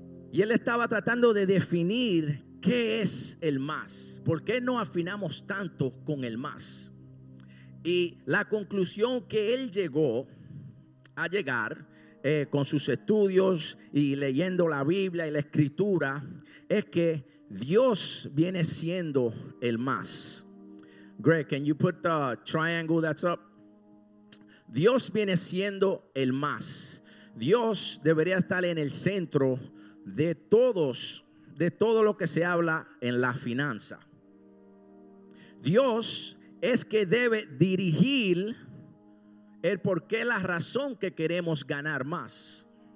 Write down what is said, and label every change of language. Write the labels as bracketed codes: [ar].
[es] Y él estaba tratando de definir qué es el más, por qué no afinamos tanto con el más. Y la conclusión que él llegó a llegar con sus estudios y leyendo la Biblia y la Escritura es que Dios viene siendo el más. [en] Greg, can you put the triangle that's up? [es] Dios viene siendo el más. Dios debería estar en el centro de todos, de todo lo que se habla en la finanza. Dios es que debe dirigir el porqué, la razón que queremos ganar más.